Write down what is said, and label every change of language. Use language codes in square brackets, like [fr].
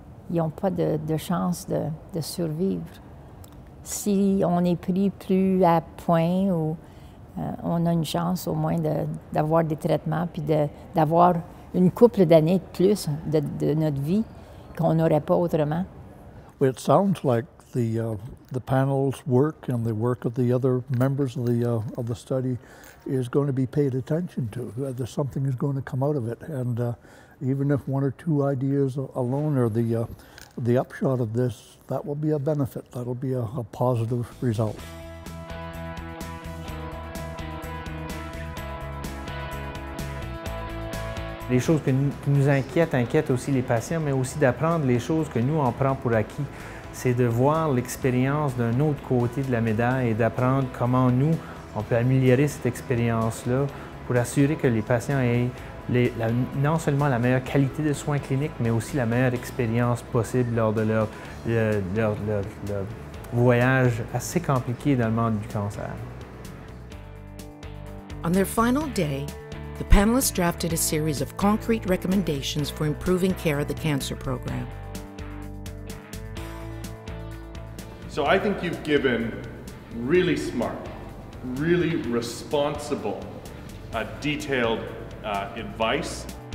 [fr] Ils n'ont pas de chance de survivre. Si on est pris plus à point ou on a une chance au moins d'avoir des traitements puis d'avoir une couple d'années de plus de notre vie qu'on n'aurait pas autrement. [en] It sounds like the panel's work and the work of the other members of the study is going to be paid attention to. Something is going to come out of it, and even if one or two ideas alone are the upshot of this, that will be a benefit. That'll be a positive result. [fr] Les choses qui nous inquiètent aussi les patients, mais aussi d'apprendre les choses que nous on prend pour acquis. C'est de voir l'expérience d'un autre côté de la médaille et d'apprendre comment nous, on peut améliorer cette expérience-là pour assurer que les patients aient non seulement la meilleure qualité de soins cliniques, mais aussi la meilleure expérience possible lors de leur voyage assez compliqué dans le monde du cancer. [en] On their final day, the panelists drafted a series of concrete recommendations for improving care of the cancer program. So I think you've given really smart, really responsible, detailed advice.